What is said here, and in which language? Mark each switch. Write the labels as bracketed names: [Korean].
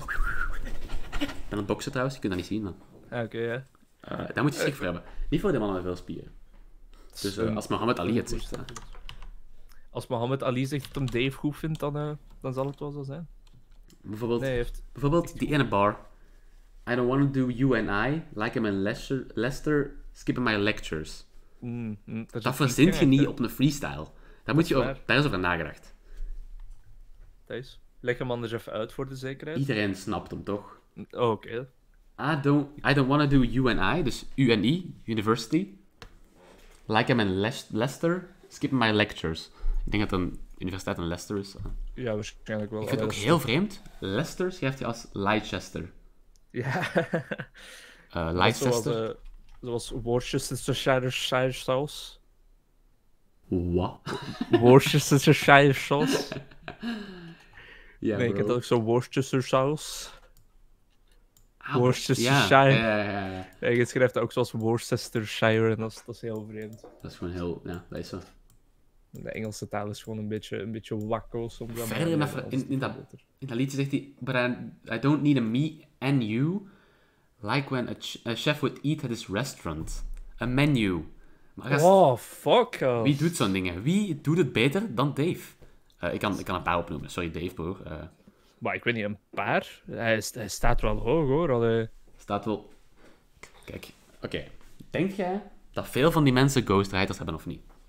[Dutch] Ik ben aan het boksen trouwens, je kunt dat niet zien, man. Oké, ja. Daar moet je schrik voor hebben. Niet voor de mannen met veel spieren. Dus als Mohammed Ali het zegt. Als Mohammed Ali zegt dat hem Dave goed vindt, dan zal het wel zo zijn. Bijvoorbeeld, die ene bar. [English] I don't want to do you and I like I'm in Leicester skipping my lectures. [Dutch] Dat verzint je niet op een freestyle. Daar is over nagedacht. Thijs, leg hem anders even uit voor de zekerheid. Iedereen snapt hem toch? Oké. [English] I don't want to do you and I, [Dutch] dus U en I, [English] university, like I'm in Leicester skipping my lectures. [Dutch] Ik denk dat een universiteit in Leicester is. Ja, waarschijnlijk wel. Ik vind het ook heel vreemd. Leicester schrijft hij als Leicester. Ja. Leicester. Zoals Worcestershire sauce. Wat? Worcestershire sauce. Ja, nee, bro. Ik heb ook zo Worcestershire sauce. Worcestershire. Ja. Je schrijft dat ook zoals Worcestershire en dat is heel vreemd. Dat is gewoon heel, ja, dat is zo. De Engelse taal is gewoon een beetje wakker. Verder in dat liedje zegt hij, [English] but I don't need a me and you, like when a chef would eat at his restaurant. A menu. [Dutch] Maar fuck. Wie doet zo'n dingen? Wie doet het beter dan Dave? Ik kan een paar opnoemen. Sorry, Dave, broer. Maar ik weet niet, een paar? Hij staat wel hoog, hoor. Allee. Staat wel... Kijk, oké. Denk jij dat veel van die mensen ghostwriters hebben of niet?